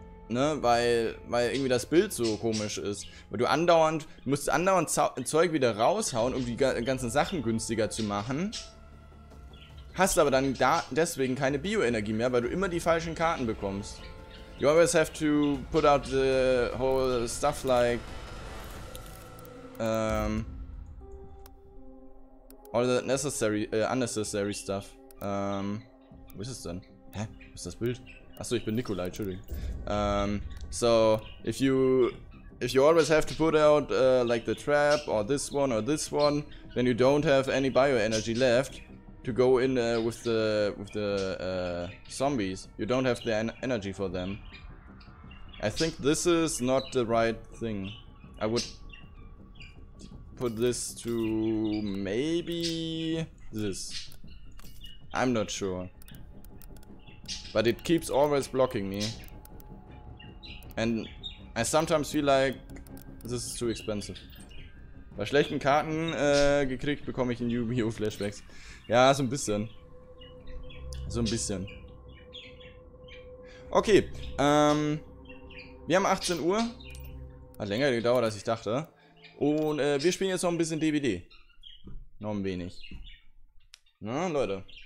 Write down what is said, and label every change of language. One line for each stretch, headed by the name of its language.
German: Ne, weil irgendwie das Bild so komisch ist. Weil du musst andauernd Zeug wieder raushauen, um die ganzen Sachen günstiger zu machen. Hast aber dann da deswegen keine Bioenergie mehr, weil du immer die falschen Karten bekommst.
English: You always have to put out the whole stuff like... All the unnecessary stuff.
German: Wo ist es denn? Hä? Wo ist das Bild? Achso, ich bin Nikolai, Entschuldigung.
English: So, if you always have to put out, like the trap, or this one, then you don't have any bioenergy left to go in with the zombies. You don't have the energy for them. I think this is not the right thing. I would put this to maybe this. I'm not sure. But it keeps always blocking me. And I sometimes feel like this is too expensive.
German: Bei schlechten Karten gekriegt, bekomme ich in Yu-Gi-Oh! Flashbacks. Ja, so ein bisschen. So ein bisschen. Okay. Wir haben 18 Uhr. Hat länger gedauert, als ich dachte. Und wir spielen jetzt noch ein bisschen DVD. Noch ein wenig. Na, Leute.